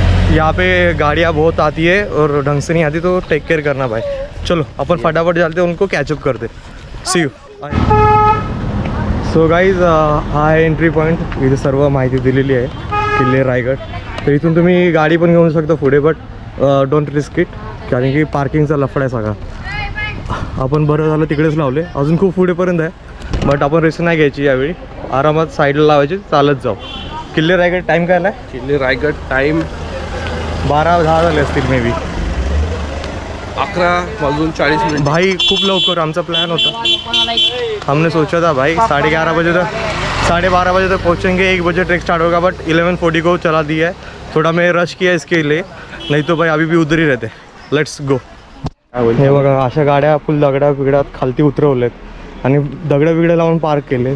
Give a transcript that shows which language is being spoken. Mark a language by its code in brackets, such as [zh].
[hi] यहाँ पे गाड़ियाँ बहुत आती है और ढंग से नहीं आती, तो टेक केयर करना भाई। चलो अपन फटाफट चलते उनको कैचअप कर दे। सी you. [en] so guys hi, [mr] entry point इथे सर्व माहिती दिलेली आहे, किल्ले रायगड। तर इथून तुम्ही गाडी पण घेऊ शकता पुढे, [en] but don't risk it, [mr] कारण की पार्किंगचा लफडा आहे सगळा। आपण बरं झालं तिकडेच लावले, अजून खूप पुढेपर्यंत आहे, बट आपण रिस्क नाही घ्यायची यावेळी, आरामात साईडला लावायची, चालत जाऊ। किल्ले रायगड टाईम काय आहे? किल्ले रायगड टाईम 12:10 झाले असतील, [en] maybe [mr] 11:40 भाई, खूप लवकर आमचा प्लॅन होता। [hi] हमने सोचा था भाई 11:30 तक, 12:30 तक पहुँचेंगे, 1 ट्रैक स्टार्ट होगा, बट 11:40 को चला दिया है, थोड़ा मैं रश किया इसके लिए, नहीं तो भाई अभी भी उधर ही रहते। [en] Let's go. [mr] ये बघा अशा गाड्या फुल दगड़ा बिगड़ा खालती उतरवले आणि दगड़ा बिगड़ा लावून पार्क केले।